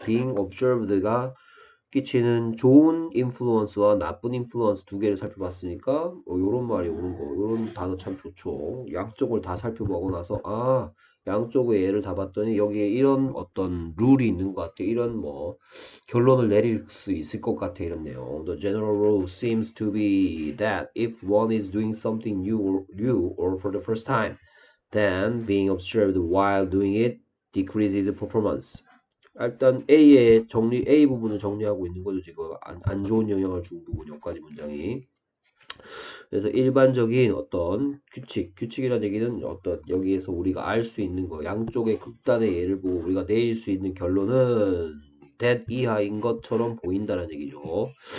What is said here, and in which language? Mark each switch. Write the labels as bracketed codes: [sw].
[en] being observed [ko] 가 끼치는 좋은 인플루언스와 나쁜 인플루언스 두 개를 살펴봤으니까 요런 말이 오는 거, 요런 단어 참 좋죠. 양쪽을 다 살펴보고 나서 아 양쪽의 예를 다 봤더니 여기에 이런 어떤 룰이 있는 것 같아, 이런 뭐 결론을 내릴 수 있을 것 같아 이런 내용. [en] The general rule seems to be that if one is doing something new or for the first time, then being observed while doing it decreases performance. [ko] 일단 A의 정리 A 부분을 정리하고 있는 거죠. 지금 안 좋은 영향을 준 부분이 여기까지 문장이. 그래서 일반적인 어떤 규칙이라는 얘기는 어떤 여기에서 우리가 알수 있는 거 양쪽의 극단의 예를 보고 우리가 내릴 수 있는 결론은 that 이하인 것처럼 보인다는 얘기죠.